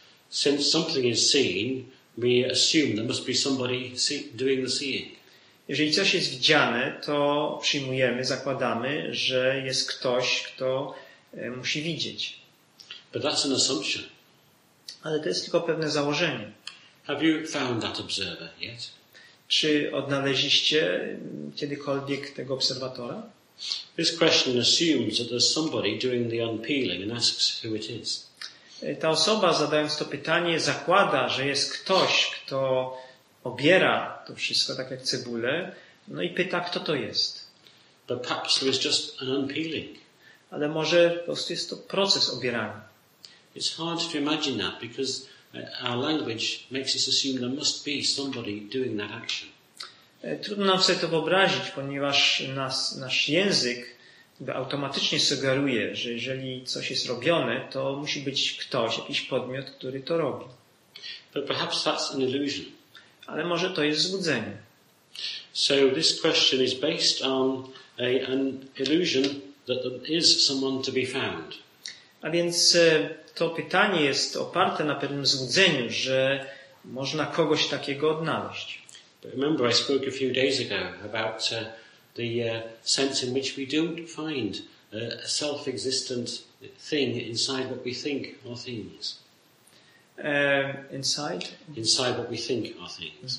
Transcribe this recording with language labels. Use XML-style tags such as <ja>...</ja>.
<en>Since something is seen, we assume there must be somebody doing the seeing.</en> <pl>Jeżeli coś jest widziane, to przyjmujemy, zakładamy, że jest ktoś, kto musi widzieć.</pl> <en>But that's an assumption.</en> <pl>Ale to jest tylko pewne założenie.</pl> <en>Have you found that observer yet?</en> <pl>Czy odnaleźliście kiedykolwiek tego obserwatora?</pl> <en>This question assumes that there's somebody doing the unpeeling and asks who it is.</en> <pl>Ta osoba zadając to pytanie zakłada, że jest ktoś, kto obiera to wszystko tak jak cebulę, no i pyta, kto to jest.</pl> <en>But perhaps there is just an unpeeling.</en> <pl>Ale może po prostu jest to proces obierania.</pl> <en>It's hard to imagine that because our language makes us assume there must be somebody doing that action.</en> <pl>Trudno nam sobie to wyobrazić, ponieważ nasz język automatycznie sugeruje, że jeżeli coś jest robione, to musi być ktoś, jakiś podmiot, który to robi.</pl> <en>But perhaps that's an illusion.</en> <pl>Ale może to jest złudzenie.</pl> <en>So this question is based on an illusion that there is someone to be found.</en> <pl>A więc to pytanie jest oparte na pewnym złudzeniu, że można kogoś takiego odnaleźć.</pl> <en>But remember, I spoke a few days ago about the sense in which we don't find a self-existent thing inside what we think are things. Inside? Inside what we think are things.</en>